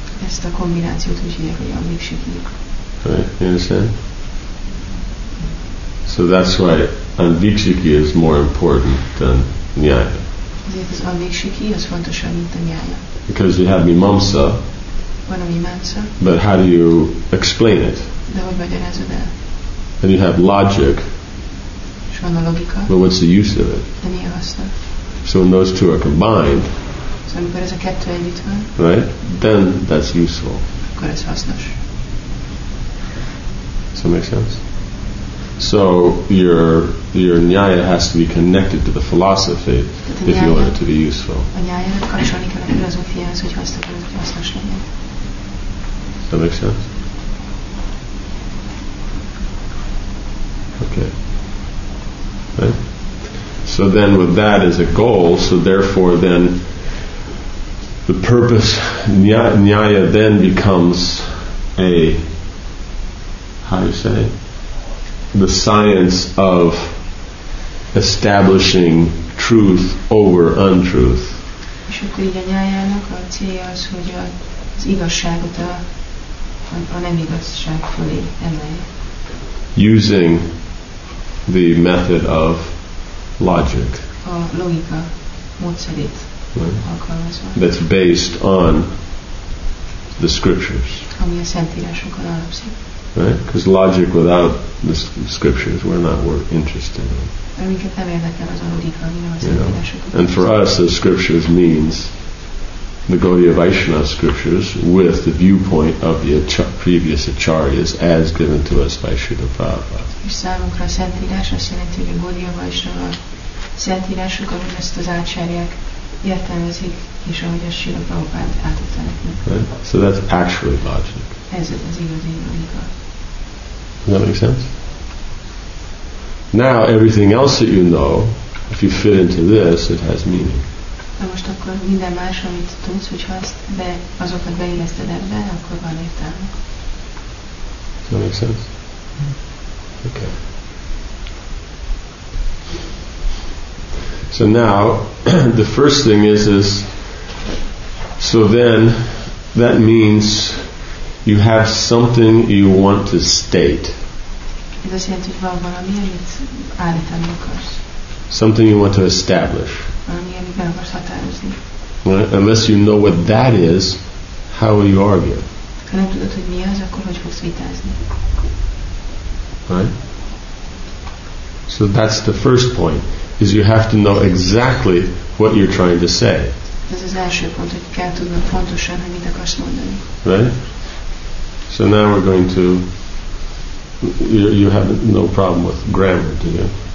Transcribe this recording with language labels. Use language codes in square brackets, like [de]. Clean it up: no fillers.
[hu] Ezt a kombinációt úgy hívják, hogy anvikshiki. [en] Right, you understand? So that's why anvikshiki is more important than nyaya. [hu] Ezért az anvikshiki az fontosabb, mint a nyaya. [en] Because you have mimamsa. [hu] Van a mimamsa. [en] But how do you explain it? [hu] De hogy magyarázod el? [en] And you have logic. [hu] És van a logika. [en] But what's the use of it? [hu] De mi a haszna? [en] So when those two are combined, [hu] amikor ez a kettő együtt van, [en] right? Then that's useful. [hu] Akkor ez hasznos. [en] Does that make sense? So your nyaya has to be connected to the philosophy if you want it to be useful. [hu] A nyaya kapcsolni kell a filozófiához, hogy hasznos legyen. [en] Does that make sense? Okay. Right? So then with that as a goal, so therefore then the purpose, nyaya then becomes a, how do you say, the science of establishing truth over untruth. [hu] És akkor így a nyájának a célja az, hogy az igazságot a nem igazság fölé emelje. [en] Using the method of logic. [hu] A logika módszerét. [en] Right. That's based on the scriptures. [hu] Ami a szentírásokon alapszik. Right? [en] Because logic without the scriptures, we're not interested in. [hu] Minket nem érdekel az a logika, ami a szentírásokon. [en] And for us, the scriptures means the Gaudiya Vaishnava scriptures with the viewpoint of the previous acharyas as given to us by Śrīla Prabhupāda. [hu] És számunkra a szentírás azt jelenti, hogy a Gaudiya Vaishnava szentírások, amit ezt az acharyák értelmezik, és ahogy a Śrīla Prabhupāda átadta nekünk. [en] Right? So that's actually logic. [hu] Ez az igazi logika. [en] Does that make sense? Now everything else that you know, if you fit into this, it has meaning. [hu] Na most akkor minden más, amit tudsz, hogyha azt be, azokat beilleszted ebbe, akkor van értelme. [en] Does that make sense? Okay. So now, the first thing is, so then, that means you have something you want to state. [hu] Ez azt jelenti, hogy van valami, amit állítani akarsz. [en] Something you want to establish. [hu] Valami, amit meg akarsz határozni. [en] Unless you know what that is, how will you argue? [hu] Ha nem tudod, hogy mi az, akkor hogy fogsz vitázni? [en] Right? So that's the first point. Is you have to know exactly what you're trying to say. [hu] Ez az első pont, hogy kell tudnod pontosan, hogy mit akarsz mondani. [en] Right? So now we're going to... You have no problem with grammar, do you?